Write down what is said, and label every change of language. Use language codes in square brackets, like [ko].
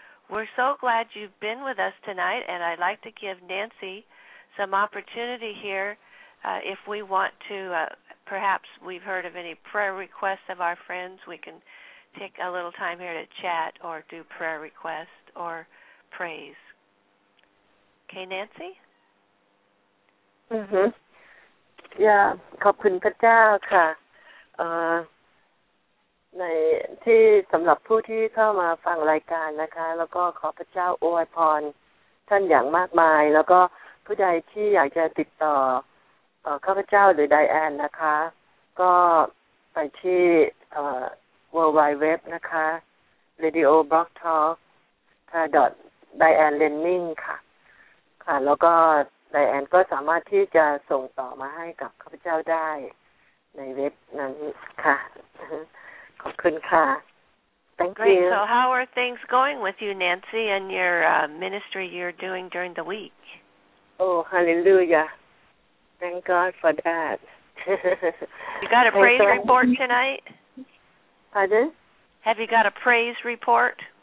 [en] We're so glad you've been with us tonight, and I'd like to give Nancy some opportunity here if we want to, perhaps we've heard of any prayer requests of our friends, we can take a little time here to chat or do prayer requests or praise. Okay, Nancy? [th] Yeah, ขอบคุณพระเจ้าค่ะในที่สำหรับผู้ที่เข้ามาฟังรายการนะคะแล้วก็ขอพระเจ้าอวยพรท่านอย่างมากมายแล้วก็ผู้ใดที่อยากจะติดต่อข้าพเจ้าหรือไดแอนนะคะก็ไปที่World Wide Web นะคะ Radio Blog Talk dianelenning ค่ะค่ะแล้วก็ไดแอนก็สามารถที่จะส่งต่อมาให้กับข้าพเจ้าได้ในเว็บนั้นค่ะขอบคุณค่ะ [en] Thank Great. you. So how are things going with you, Nancy, and your ministry you're doing during the week? Oh, hallelujah. Thank God for that. You got a praise report tonight? Pardon? Have you got a praise report?